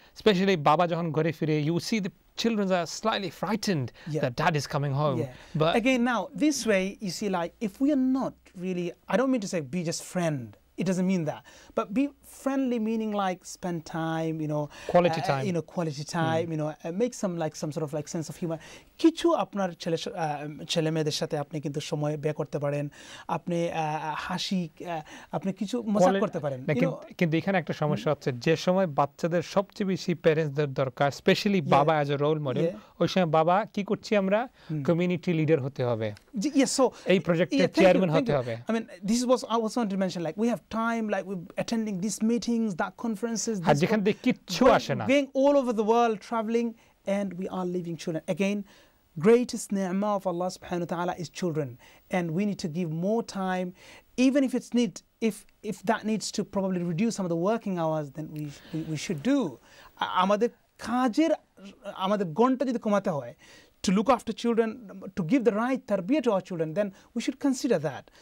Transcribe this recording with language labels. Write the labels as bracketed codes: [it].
[en] Especially [bn] baba jokhon ghore phire, [en] you see the children are slightly frightened that dad is coming home. Yeah. But again, now, this way, you see, like, if we are not really, I don't mean to say be just friend. It doesn't mean that. But be friendly, meaning like spend time, you know. Quality time. You know, quality time, you know, make some like some sort of like sense of humor. [bn] কিছু আপনার ছেলে ছেলেমেয়েদের সাথে আপনি কিন্তু সময় ব্যয় করতে পারেন, আপনি হাসি আপনি কিছু মজা করতে পারেন। কিন্তু এখানে একটা সমস্যা হচ্ছে, যে সময় বাচ্চাদের সবচেয়ে বেশি প্যারেন্টসদের দরকার, স্পেশালি বাবা [en] as a role model, [bn] ওই সময় বাবা কি করছি আমরা, কমিউনিটি লিডার হতে হবে, এই প্রজেক্টের চেয়ারম্যান হতে হবে। [en] I mean this was I was want to mention like we have time like we attending this meetings that conferences [bn] আর যেখান থেকে কিচ্ছু আসে না, [en] Going all over the world travelling and we are leaving children. Again, greatest ni'mah of Allah subhanahu wa ta'ala is children, and we need to give more time, even if it's need, if that needs to probably reduce some of the working hours, then we should do. [bn] Amader kajer amader gonta jodi komate hoy [en] to look after children, to give the right tarbiyah to our children, then we should consider that.